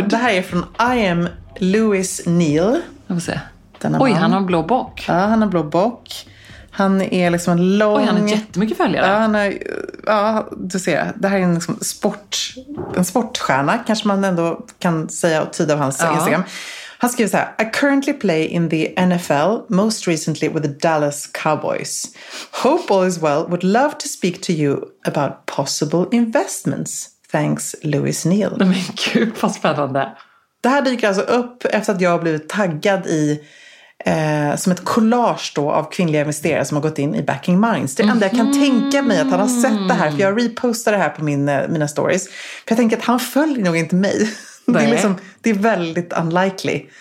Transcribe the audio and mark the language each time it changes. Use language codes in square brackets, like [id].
[sv] det här är från I am Louis Neal. Jag får se. Denna oj, man. Han har en blå bock. Ja, han har en blå bock. Han är liksom en lång... Oj, han har jättemycket följare. Ja, han är, ja, du ser. Det här är en, liksom sport, en sportstjärna. Kanske man ändå kan säga och tyda av hans ja. Instagram. Han skriver så här, [en] I currently play in the NFL, most recently with the Dallas Cowboys. Hope all is well, would love to speak to you about possible investments. Thanks, Louis Neal. [sv] Men gud, vad spännande. Det här dyker alltså upp efter att jag har blivit taggad i, som ett collage då av kvinnliga investerare som har gått in i Backing Minds. Det enda jag kan tänka mig att han har sett det här, för jag repostar det här på mina stories. För jag tänker att han följer nog inte mig. Det är, liksom, det är väldigt unlikely.